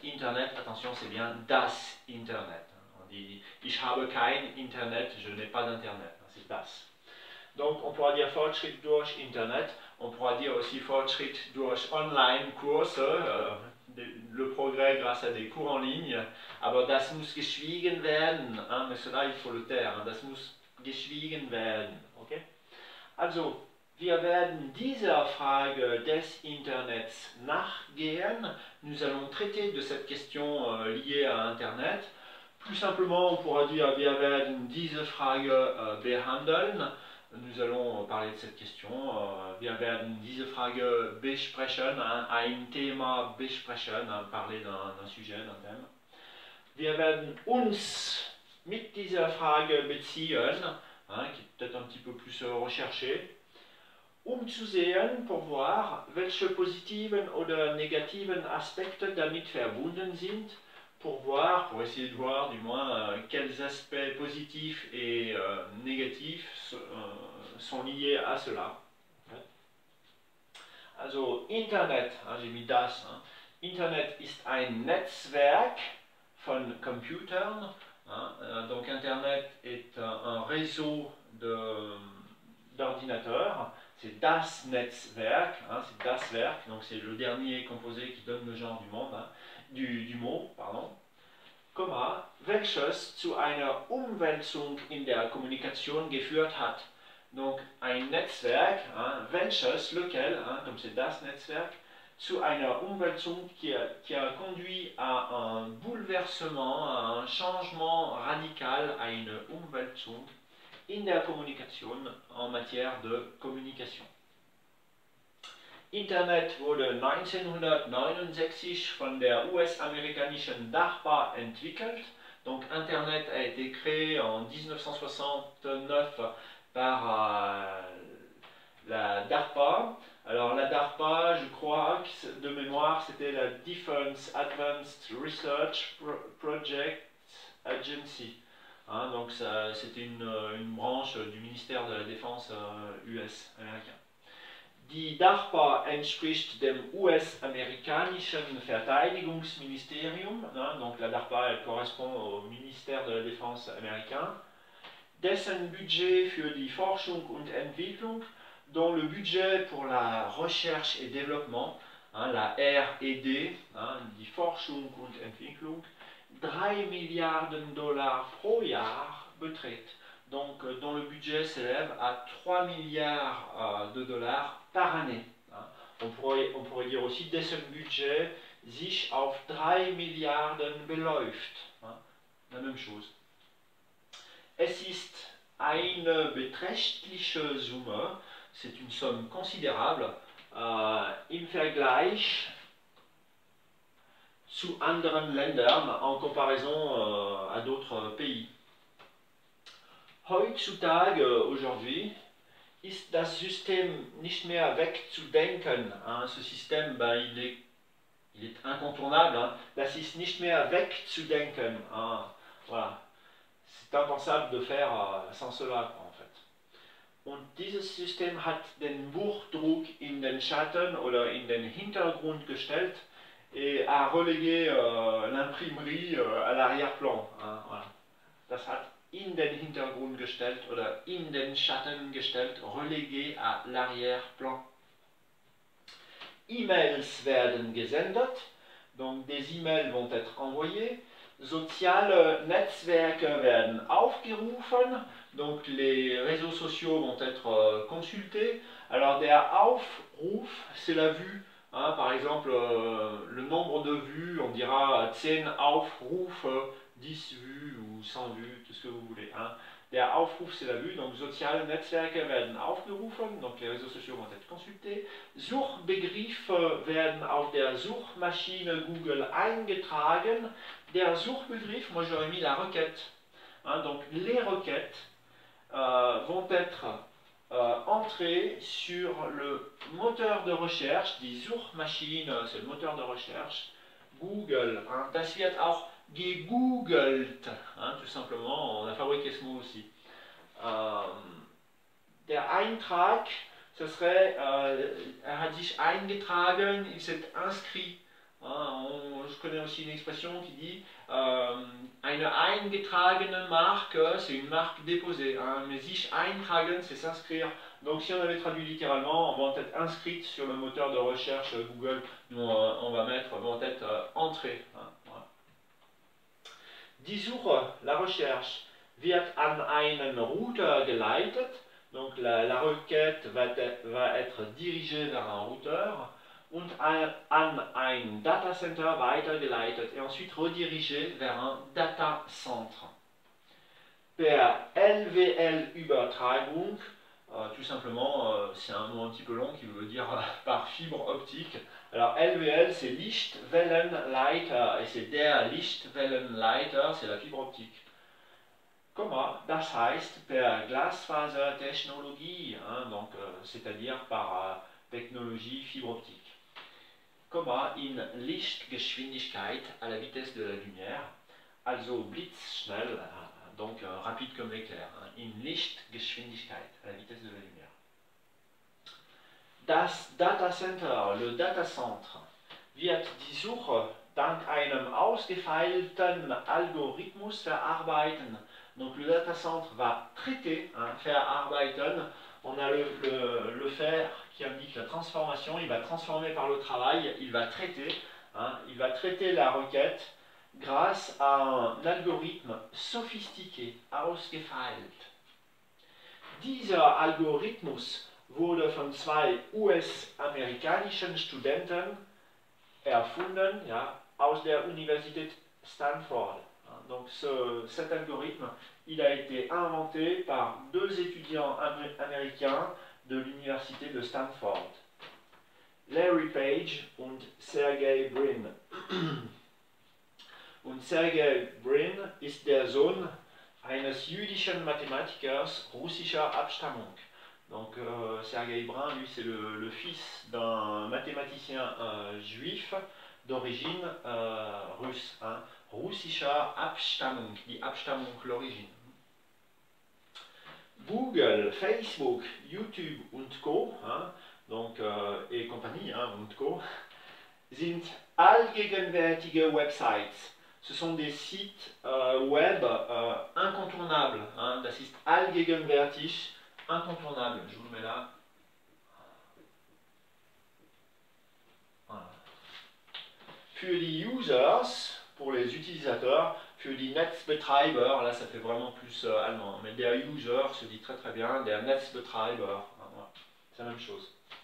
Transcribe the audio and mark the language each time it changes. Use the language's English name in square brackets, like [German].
[French] Internet, attention, c'est bien das Internet. On dit, [German] ich habe kein Internet, [French] je n'ai pas d'Internet, c'est das. Donc, on pourra dire [German] Fortschritt durch Internet, [French] on pourra dire aussi [German] Fortschritt durch Online-Kurse. [French] Le progrès grâce à des cours en ligne. [German] Aber das muss geschwiegen werden. [French] Hein, mais cela, il faut le taire. [German] Hein, das muss geschwiegen werden. Okay? Also, wir werden dieser Frage des Internets nachgehen. [French] Nous allons traiter de cette question liée à Internet. Plus simplement, on pourra dire [German] wir werden diese Frage behandeln. [French] Nous allons parler de cette question. [German] Wir werden diese Frage besprechen, ein Thema besprechen, [French] parler d'un sujet, d'un thème. [German] Wir werden uns mit dieser Frage beziehen, hein, [French] qui est peut-être un petit peu plus recherché, [German] zu sehen, [French] pour voir [German] welche positiven oder negativen Aspekte damit verbunden sind. [French] Pour essayer de voir du moins quels aspects positifs et négatifs sont liés à cela. Also, Internet, hein, j'ai mis das, hein. [German] Internet ist ein Netzwerk von Computern. [French] Hein, donc, Internet est un réseau d'ordinateurs. C'est das Netzwerk, hein, c'est das Werk, donc c'est le dernier composé qui donne le genre du monde, hein, du mot, pardon. [German] Comma, welches zu einer Umwälzung in der Kommunikation geführt hat. [French] Donc, ein Netzwerk, hein, welches, lequel, hein, comme c'est das Netzwerk, [German] zu einer Umwälzung [French] qui a conduit à un bouleversement, à un changement radical, à une Umwälzung [German] in der Kommunikation, [French] en matière de communication. [German] Internet wurde 1969 von der US-amerikanischen DARPA entwickelt. [French] Donc Internet a été créé en 1969 par la DARPA. Alors la DARPA, je crois que de mémoire, c'était la Defense Advanced Research Project Agency. Hein, donc ça, c'était une branche du ministère de la Défense US américain. [German] Die DARPA entspricht dem US-amerikanischen Verteidigungsministerium, hein, [French] donc la DARPA elle correspond au ministère de la Défense américain, [German] dessen budget für die Forschung und Entwicklung, [French] dont le budget pour la recherche et développement, [German] hein, la R&D, hein, die Forschung und Entwicklung, 3 milliards Dollar pro Jahr beträgt. [French] Donc, dont le budget s'élève à 3 milliards de dollars par année. Hein. On pourrait dire aussi, [German] dessen budget sich auf 3 milliards beläuft. [French] Hein. La même chose. [German] Es ist eine beträchtliche Summe, [French] c'est une somme considérable, [German] im Vergleich zu anderen Ländern, [French] en comparaison à d'autres pays. [German] Heutzutage, aujourd'hui, ist das System nicht mehr wegzudenken. [French] Hein, ce système, ben, il est incontournable. Hein. [German] Das ist nicht mehr wegzudenken. [French] Hein, voilà. C'est impensable de faire sans cela, quoi, en fait. [German] Und dieses System hat den Buchdruck in den Schatten oder in den Hintergrund gestellt [French] et a relégué l'imprimerie à l'arrière-plan. [German] Hein, voilà. Das hat in den Hintergrund gestellt oder in den Schatten gestellt, [French] relégué à l'arrière-plan. [German] E-Mails werden gesendet, [French] donc des E-Mails vont être envoyés. [German] Soziale Netzwerke werden aufgerufen, [French] donc les réseaux sociaux vont être consultés. Alors, der Aufruf, c'est la vue. Hein, par exemple, le nombre de vues, on dira 10 Aufrufe, 10 vues ou sans vue, tout ce que vous voulez. Hein. Der Aufruf, c'est la vue, donc [German] soziale Netzwerke werden aufgerufen, [French] donc les réseaux sociaux vont être consultés. [German] Suchbegriffe werden auf der Suchmaschine Google eingetragen. [French] Der Suchbegriff, moi j'aurais mis la requête. Hein, donc les requêtes vont être entrées sur le moteur de recherche, die Suchmaschine, c'est le moteur de recherche, Google. Hein, [German] das wird auch gegoogelt, [French] hein, tout simplement, on a fabriqué ce mot aussi. Der Eintrag, ce serait, [German] er hat sich eingetragen, [French] il s'est inscrit. Hein, je connais aussi une expression qui dit [German] eine eingetragene Marke, [French] c'est une marque déposée. Hein, mais sich eintragen, c'est s'inscrire. Donc si on avait traduit littéralement, on va en être inscrite sur le moteur de recherche Google, nous on va mettre, on va être entrée. Hein. [German] Die Suche, la recherche, wird an einen Router geleitet. [French] Donc la requête va être dirigée vers un routeur. [German] Und an ein Data Center weitergeleitet. [French] Et ensuite redirigée vers un Data Center. [German] Per LWL Übertragung. [French] Tout simplement, c'est un mot un petit peu long qui veut dire par fibre optique. Alors LWL, c'est Lichtwellenleiter, et c'est der Lichtwellenleiter, c'est la fibre optique. Comme [German] das heißt per Glasfasertechnologie, [French] hein, donc c'est-à-dire par technologie fibre optique. Comme [German] in Lichtgeschwindigkeit, [French] à la vitesse de la lumière, [German] also blitzschnell, [French] donc rapide comme l'éclair, hein, in Lichtgeschwindigkeit, à la vitesse de la lumière. [German] Das Data Center, le Data Center, wird die Suche dank einem ausgefeilten Algorithmus verarbeiten. [French] Donc le Data Center va traiter, hein, verarbeiten. On a le faire qui indique la transformation, il va transformer par le travail, il va traiter, hein, il va traiter la requête grâce à un algorithme sophistiqué, ausgefeilt. [German] Dieser Algorithmus wurde von zwei US-amerikanischen Studenten erfunden, ja, aus der Universität Stanford. [French] Donc cet algorithme, il a été inventé par deux étudiants américains de l'Université de Stanford. [German] Larry Page und Sergey Brin. Und Sergey Brin ist der Sohn eines jüdischen Mathematikers russischer Abstammung. [French] Donc Sergey Brin, lui, c'est le fils d'un mathématicien juif d'origine russe. Hein. [German] Russischer Abstammung, die Abstammung, l'origine. [French] Google, Facebook, YouTube und Co. Hein, donc, et compagnie, hein, und Co. [German] sind allgegenwärtige Websites. [French] Ce sont des sites web incontournables. [German] Hein, das ist allgegenwärtig. [French] Incontournable, je vous le mets là. [German] Für die Users, [French] pour les utilisateurs, [German] für die Netzbetreiber, [French] là ça fait vraiment plus allemand, mais der User se dit très très bien, der Netzbetreiber, voilà. C'est la même chose.